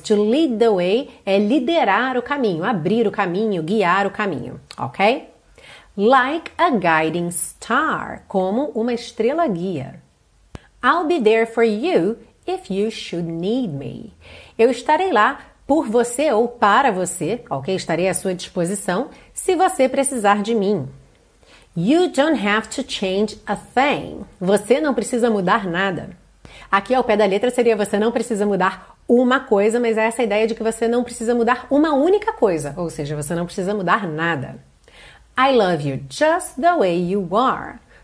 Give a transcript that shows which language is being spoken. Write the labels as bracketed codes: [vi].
[en] To lead the way [pt] é liderar o caminho, abrir o caminho, guiar o caminho, ok? [en] Like a guiding star, [pt] como uma estrela guia. [en] I'll be there for you if you should need me. [pt] Eu estarei lá por você ou para você, ok? Estarei à sua disposição se você precisar de mim. [en] You don't have to change a thing. [pt] Você não precisa mudar nada. Aqui ao pé da letra seria você não precisa mudar uma coisa, mas é essa ideia de que você não precisa mudar uma única coisa, ou seja, você não precisa mudar nada. [en] I love you just the way you are.